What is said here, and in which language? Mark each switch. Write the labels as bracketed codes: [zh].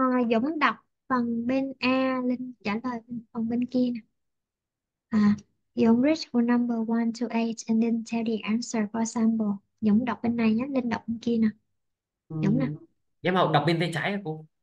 [vi] Dũng đọc phần bên A, Linh trả lời phần bên kia. [en] Dũng reach for number 1 to 8 and then tell the answer for sample. [vi] Dũng đọc bên này nhé, Linh đọc bên kia nè. Dũng nè. Em học đọc bên tay trái hả cô?